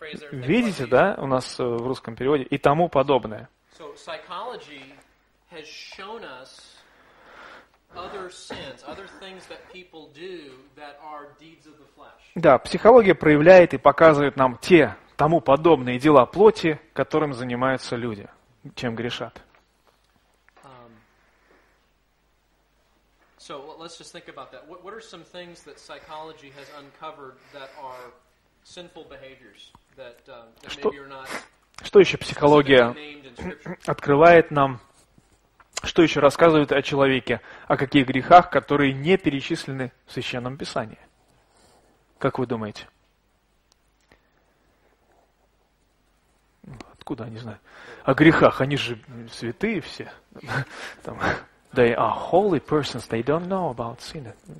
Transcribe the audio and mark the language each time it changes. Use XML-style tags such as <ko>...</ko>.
<ru>Видите, да, у нас в русском переводе «и тому подобное».</ru> <en>So psychology has shown us other sins, other things that people do that are deeds of the flesh.</en> <ru>Да, психология проявляет и показывает нам те, тому подобные дела плоти, которым занимаются люди, чем грешат.</ru> <en>So let's just think about that. What are some things that psychology has uncovered that are sinful behaviors that that maybe you're not.</en> <ru>Что еще психология открывает нам, что еще рассказывает о человеке, о каких грехах, которые не перечислены в Священном Писании? Как вы думаете? Откуда, не знаю. О грехах, они же святые все. Там,</ru> <en>they are holy persons, they don't know about sin.</en>